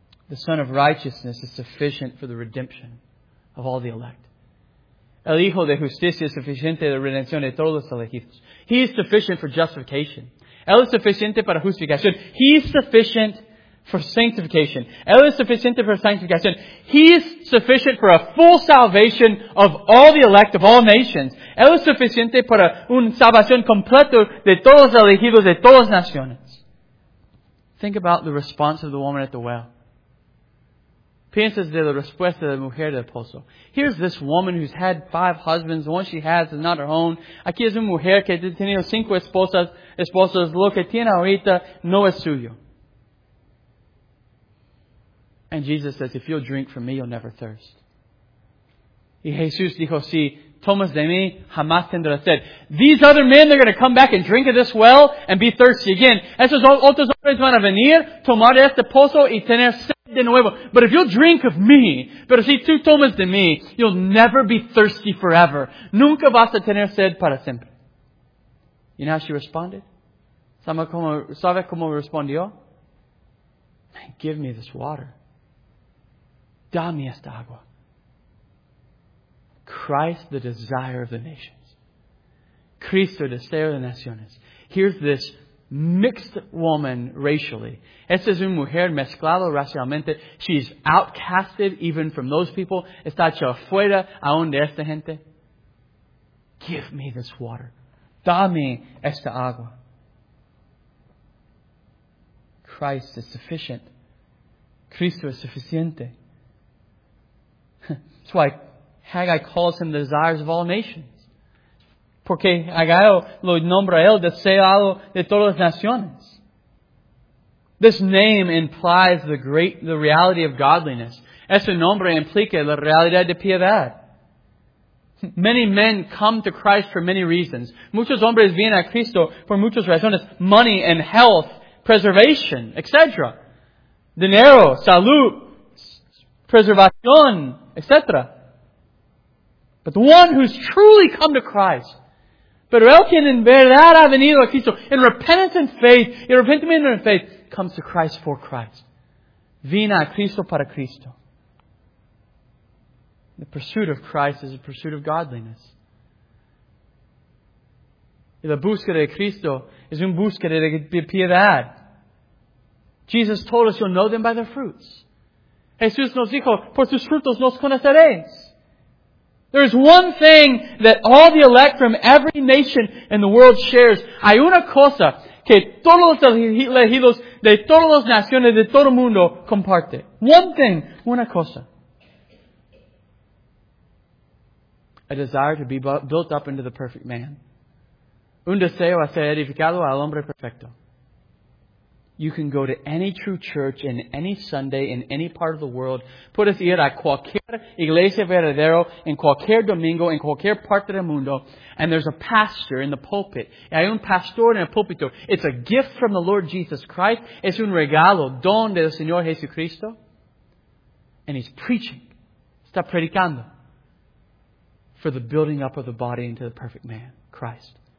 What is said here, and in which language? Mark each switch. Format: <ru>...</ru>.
<en>The Son of Righteousness is sufficient for the redemption of all the elect.</en> <es>El Hijo de Justicia es suficiente de redención de todos los elegidos.</es> <en>He is sufficient for justification.</en> <es>Él es suficiente para justificación.</es> <en>He is sufficient for sanctification.</en> <es>Él es suficiente para sanctificación.</es> <en>He is sufficient for a full salvation of all the elect of all nations.</en> <es>Él es suficiente para una salvación completa de todos los elegidos de todas las naciones.</es> <en>Think about the response of the woman at the well.</en> <es>Piensas de la respuesta de la mujer del pozo.</es> <en>Here's this woman who's had 5 husbands. The one she has is not her own.</en> <es>Aquí es una mujer que ha tenido 5 esposas. Lo que tiene ahorita no es suyo.</es> <en>And Jesus says, if you'll drink from me, you'll never thirst.</en> <es>Y Jesús dijo, si tomas de mí, jamás tendrás sed.</es> <en>These other men, they're going to come back and drink of this well and be thirsty again.</en> <es>Esos otros hombres van a venir, tomar este pozo y tener sed.</es> <en>But if you'll drink of me,</en> <es>pero si tú tomas de mí,</es> <en>you'll never be thirsty forever.</en> <es>Nunca vas a tener sed para siempre.</es> <en>You know how she responded?</en> <es>¿Sabe cómo respondió?</es> <en>Man, give me this water.</en> <es>Dame esta agua.</es> <en>Christ, the desire of the nations.</en> <es>Cristo, deseo de naciones.</es> <en>Here's this mixed woman racially.</en> <es>Esta es una mujer mezclada racialmente.</es> <en>She's outcasted even from those people.</en> <es>Está hecha afuera aún de esta gente.</es> <en>Give me this water.</en> <es>Dame esta agua.</es> <en>Christ is sufficient.</en> <es>Cristo es suficiente.</es> <en>That's why Haggai calls him the desires of all nations.</en> <es>Porque Haggai lo nombra el deseado de todas las naciones.</es> <en>This name implies the reality of godliness.</en> <es>Ese nombre implica la realidad de piedad.</es> <en>Many men come to Christ for many reasons.</en> <es>Muchos hombres vienen a Cristo por muchas razones.</es> <en>Money and health, preservation, etc.</en> <es>Dinero, salud, preservación, etc.</es> <en>But the one who's truly come to Christ,</en> <es>pero el quien en verdad ha venido a Cristo,</es> <en>in repentance and faith, in repentance and faith, comes to Christ for Christ.</en> <es>Vino a Cristo para Cristo.</es> <en>The pursuit of Christ is a pursuit of godliness.</en> <es>Y la búsqueda de Cristo es una búsqueda de piedad.</es> <en>Jesus told us, you'll know them by their fruits.</en> <es>Jesús nos dijo, por sus frutos los conoceréis.</es> <en>There is one thing that all the elect from every nation in the world shares.</en> <es>Hay una cosa que todos los elegidos de todas las naciones de todo el mundo comparten.</es> <en>One thing,</en> <es>una cosa.</es> <en>A desire to be built up into the perfect man.</en> <es>Un deseo a ser edificado al hombre perfecto.</es> <en>You can go to any true church in any Sunday in any part of the world.</en> <es>Puedes ir a cualquier iglesia verdadero en cualquier domingo en cualquier parte del mundo.</es> <en>And there's a pastor in the pulpit.</en> <es>Hay un pastor en el púlpito.</es> <en>It's a gift from the Lord Jesus Christ.</en> <es>Es un regalo, don del Señor Jesucristo.</es> <en>And he's preaching.</en> <es>Está predicando.</es> <en>For the building up of the body into the perfect man, Christ.</en>